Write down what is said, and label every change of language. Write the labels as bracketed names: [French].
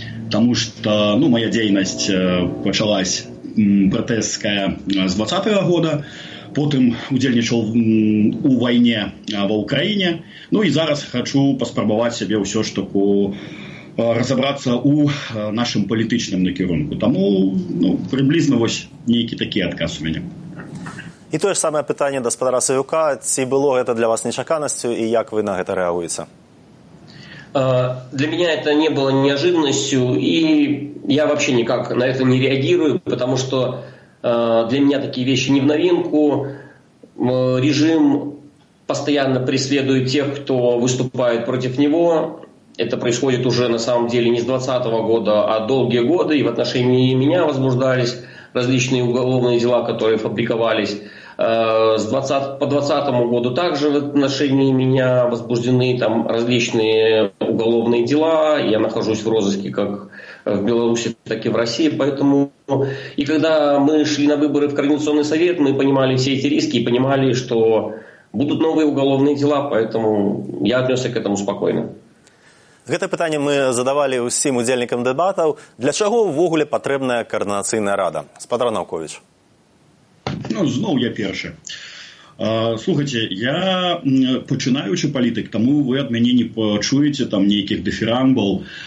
[Belarusian] Таму што, ну, мая дзейнасць пачалась пратэсская з 20-го года, потым удзельнічаў у вайне ва Ўкраіне, ну, і зараз хачу паспрабаваць сябе ўсё ж таку разобрацца ў нашым палітычным накірунку. Таму, ну, прыблізна вось нейкі такі адказ у мяне. І тое ж самае пытанне да спадара Савюка, ці было гэта для вас нечаканасцю і як вы на гэта рэагуеце? [Russian] Для меня это не было неожиданностью, и я вообще никак на это не реагирую, потому что для меня такие вещи не в новинку. Режим постоянно преследует тех, кто выступает против него. Это происходит уже на самом деле не с 20-го года, а долгие годы. И в отношении меня возбуждались различные уголовные дела, которые фабриковались. По 20-му году также в отношении меня возбуждены там различные уголовные дела. Я нахожусь в розыске как в Беларуси, так и в России. Поэтому и когда мы шли на выборы в Координационный совет, мы понимали все эти риски и понимали, что будут новые уголовные дела. Поэтому я отнесся к этому спокойно. [Belarusian] Гэта пытанне мы задавалі ўсім удзельнікам дэбатаў. Для чаго ўвогуле патрэбная каардынацыйная рада? Спадар Наукович. Ну, зноў я першы. Слухайце, я пачынаючы палітык, таму вы ад мяне не пачуеце там нейкіх дыферамбаў.